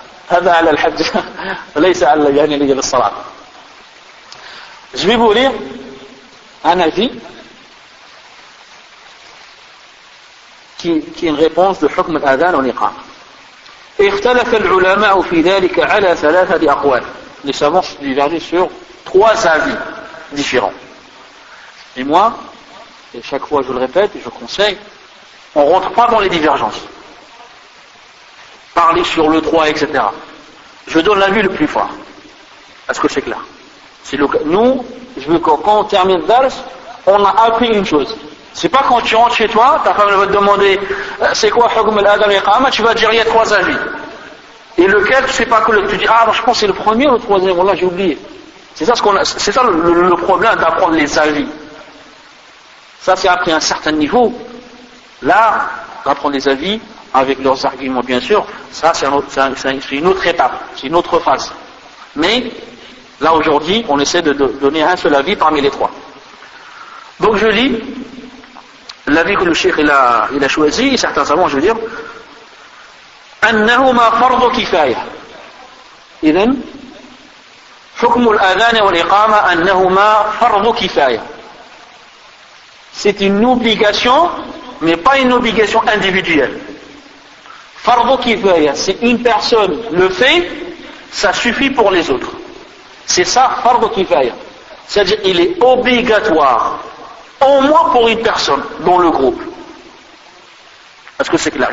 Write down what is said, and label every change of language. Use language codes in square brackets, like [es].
[ar] هذا على الحج وليس على يعني اللي يجي للصلاة. جيبوا لي أنا في [fr] كي ريبونس دو [ar] حكم الأذان والإقامة. اختلف العلماء في ذلك على ثلاثة أقوال. [fr] Les savants ont divergé sur trois avis différents. Et moi, et chaque fois je le répète et je conseille, on ne rentre pas dans les divergences. Parler sur le droit, etc. Je donne l'avis le plus fort. Est-ce que c'est clair? C'est le cas. Nous, je veux que quand on termine le dars, on a appris une chose. C'est pas quand tu rentres chez toi, ta femme va te demander c'est quoi Hukm al-Adam al-Iqama, tu vas dire il y a trois avis. Et lequel, tu sais pas que le. Tu dis ah, ben, je pense que c'est le premier ou le troisième, voilà, j'ai oublié. C'est ça, ce qu'on a, c'est ça le problème d'apprendre les avis. Ça, c'est après un certain niveau. Là, d'apprendre les avis. Avec leurs arguments, bien sûr, ça c'est une autre étape, c'est une autre phase. Mais là aujourd'hui, on essaie de donner un seul avis parmi les trois. Donc je lis l'avis que le cheikh il a choisi, et certains savants, je veux dire, [ar] أنهما فرض كفاية. إذن حكم الأذان والإقامة أنهما فرض كفاية. [fr] C'est une obligation, mais pas une obligation individuelle. Fardo kifaya, si une personne le fait, ça suffit pour les autres. C'est ça, fardo kifaya. C'est-à-dire, il est obligatoire, au moins pour une personne, dans le groupe. Est-ce que c'est clair?